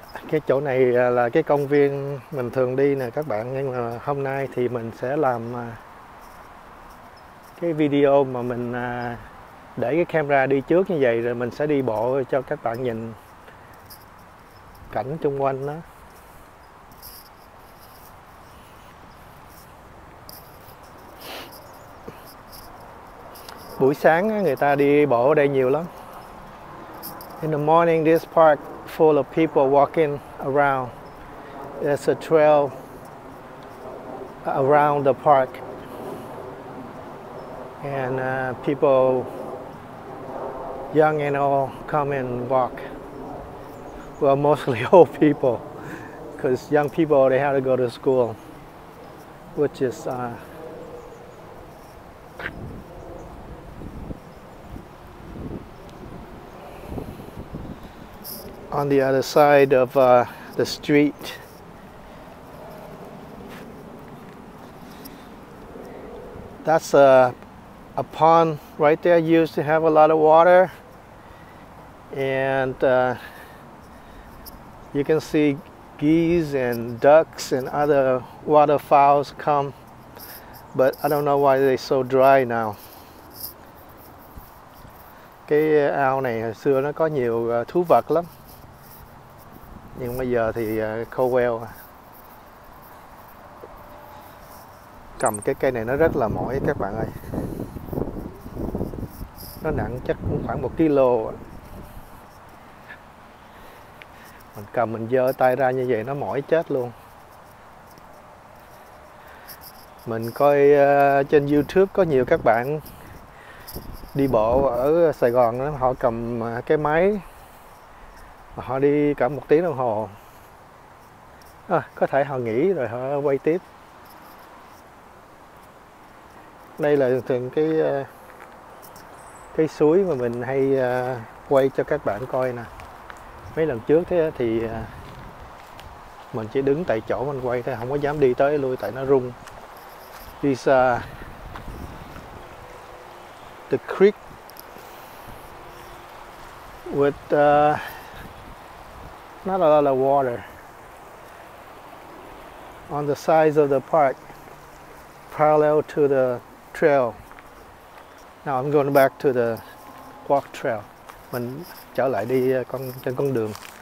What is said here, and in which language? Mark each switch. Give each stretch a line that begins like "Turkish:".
Vietnamese: Cái chỗ này là cái công viên mình thường đi nè các bạn, nhưng mà hôm nay thì mình sẽ làm cái video mà mình để cái camera đi trước như vậy, rồi mình sẽ đi bộ cho các bạn nhìn cảnh xung quanh đó. Buổi sáng người ta đi bộ ở đây nhiều lắm.
English: In the morning this park full of people walking around. There's a trail around the park and people young and old come and walk. Well, mostly old people, because young people, they have to go to school, which is on the other side of the street. That's a pond right there, used to have a lot of water, and you can see geese and ducks and other waterfowls come, but I don't know why they're so dry now.
Vietnamese: Cái ao này hồi xưa nó có nhiều thú vật lắm, nhưng bây giờ thì khô queo. Cầm cái cây này nó rất là mỏi các bạn ơi, nó nặng chắc cũng khoảng 1 kg. Mình cầm mình giơ tay ra như vậy nó mỏi chết luôn. Mình coi trên YouTube có nhiều các bạn đi bộ ở Sài Gòn đó, họ cầm cái máy mà họ đi cả 1 tiếng đồng hồ. À, có thể họ nghỉ rồi họ quay tiếp. Đây là thường cái suối mà mình hay quay cho các bạn coi nè. Mấy lần trước thế thì mình chỉ đứng tại chỗ mình quay thôi, không có dám đi tới lui tại nó rung.
English: This the creek with not a lot of water on the sides of the park parallel to the trail. Now I'm going back to the walk trail.
Vietnamese: Mình trở lại đi trên con đường.